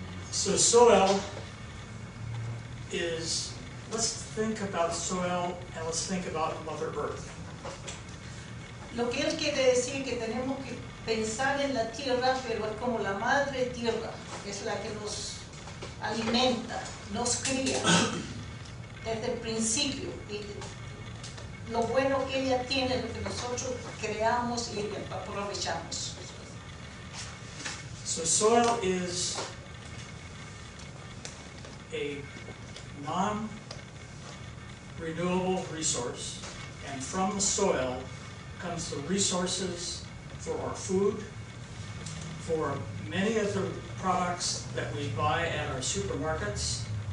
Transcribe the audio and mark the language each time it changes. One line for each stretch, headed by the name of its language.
English: So soil is, let's think about soil and let's think about Mother Earth.
Spanish: Lo que él quiere decir que tenemos que pensar en la tierra, pero es como la madre tierra, que es la que nos alimenta, nos cría desde el principio. Y lo bueno que ella tiene, lo que nosotros creamos y aprovechamos.
English: So soil is a non-renewable resource, and from the soil comes the resources for our food, for many of the products that we buy at our supermarkets.